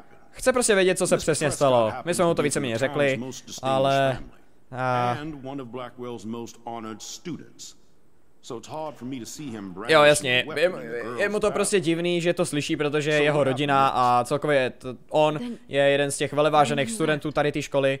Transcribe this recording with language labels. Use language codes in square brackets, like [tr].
[cs] Chce prostě vědět, co se přesně stalo. My jsme mu to víceméně řekli, ale... [en] And one of Blackwell's most honored students. So it's hard for me to see him. [cs] Jo, jasně. Je mu to prostě divný, že to slyší, protože jeho rodina a celkově on je jeden z těch velevážených studentů tady té školy.